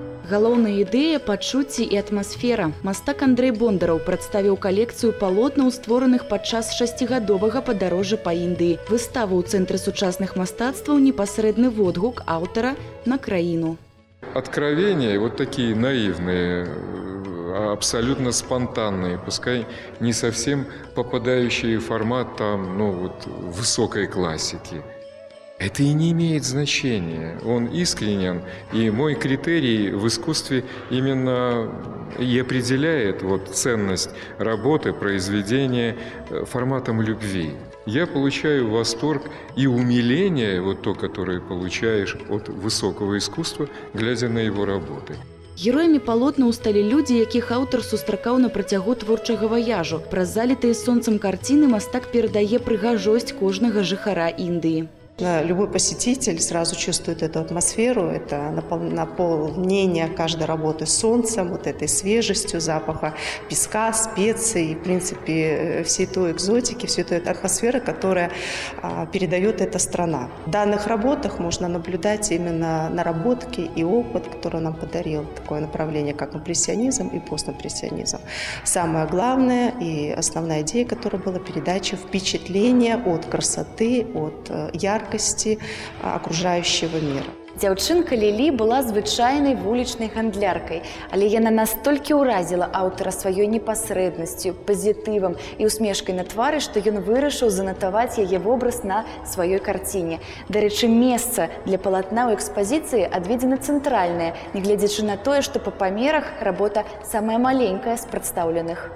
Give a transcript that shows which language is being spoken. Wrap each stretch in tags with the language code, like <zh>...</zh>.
<be>Галоўная ідэя – пачуцці і атмасфера. Мастак Андрэй Бондараў прадставіў калекцыю палотнаў, створаных падчас шасцігадовага падарожжа па Індыі. Выстава ў Цэнтры сучасных мастацтваў – непасрэдны водгук аўтара на краіну.</be> <ru>Откровения вот такие наивные, абсолютно спонтанные, пускай не совсем попадающие в формат там, ну вот, высокой классики. Это и не имеет значения. Он искренен, и мой критерий в искусстве именно и определяет вот ценность работы, произведения форматом любви. Я получаю восторг и умиление, вот то, которое получаешь от высокого искусства, глядя на его работы.</ru> <be>Героями палотнаў сталі людзі, якіх аўтар сустракаў на працягу творчага ваяжу. Праз залітыя сонцам карціны мастак перадае прыгажосць кожнага жыхара Індыі.</be> <ru>Любой посетитель сразу чувствует эту атмосферу, это наполнение каждой работы солнцем, вот этой свежестью, запаха песка, специй, в принципе, всей той экзотики, всей той атмосферы, которая передает эта страна. В данных работах можно наблюдать именно наработки и опыт, который нам подарил такое направление, как импрессионизм и постимпрессионизм. Самое главное и основная идея, которая была, передача впечатления от красоты, от яркости окружающего мира.</ru> <be>Дзяўчынка Лілі была звычайнай вулічнай гандляркай, але яна настолькі ўразіла аўтара сваёй непасрэднасцю, пазітывам і усмешкай на твары, што ён вырашыў занатаваць яе вобраз на сваёй карціне. Дарэчы, месца для палатна ў экспазіцыі адведзена цэнтральнае, нягледзячы на тое, што па памерах работа самая маленькая з прадстаўленых.</be>